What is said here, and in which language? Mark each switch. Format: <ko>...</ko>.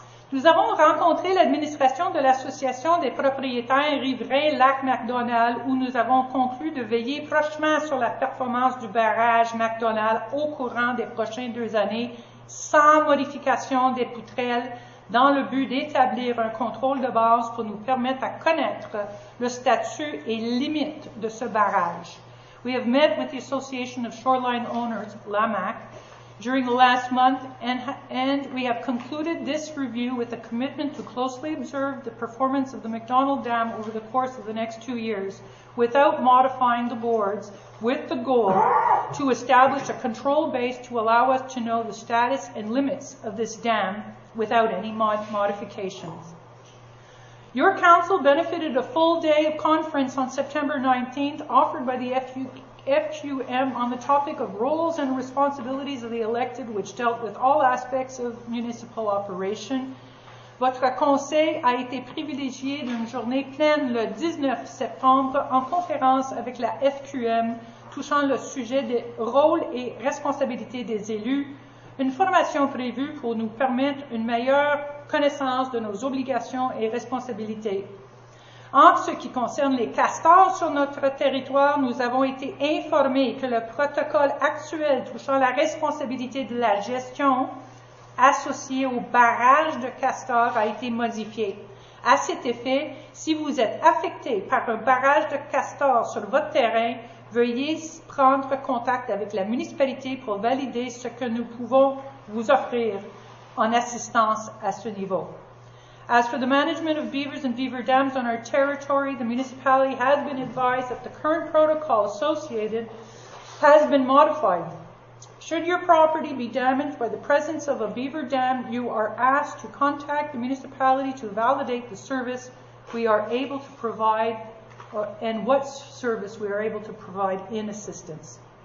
<fr>Nous avons rencontré l'administration de l'Association des propriétaires riverains Lac McDonald, où nous avons conclu de veiller prochainement sur la performance du barrage McDonald au courant des prochaines 2 années, sans modification des poutrelles, dans le but d'établir un contrôle de base pour nous permettre à connaître le statut et limites de ce barrage.</fr> <en>We have met with the Association of Shoreline Owners, LAMAC, during the last month, and we have concluded this review with a commitment to closely observe the performance of the McDonald Dam over the course of the next 2 years, without modifying the boards, with the goal to establish a control base to allow us to know the status and limits of this dam without any modifications. Your council benefited a full day of conference on September 19th offered by the FQM on the topic of roles and responsibilities of the elected, which dealt with all aspects of municipal operation.</en> <fr>Votre conseil a été privilégié d'une journée pleine le 19 septembre en conférence avec la FQM touchant le sujet des rôles et responsabilités des élus, une formation prévue pour nous permettre une meilleure connaissance de nos obligations et responsabilités. En ce qui concerne les castors sur notre territoire, nous avons été informés que le protocole actuel touchant la responsabilité de la gestion associé au barrage de castors a été modifié. À cet effet, si vous êtes affecté par un barrage de castors sur votre terrain, veuillez prendre contact avec la municipalité pour valider ce que nous pouvons vous offrir en assistance à ce niveau.</fr> <en>As for the management of beavers and beaver dams on our territory, the municipality has been advised that the current protocol associated has been modified. Should your property be damaged by the presence of a beaver dam, you are asked to contact the municipality to validate the service we are able to provide and what service we are able to provide in assistance.</en>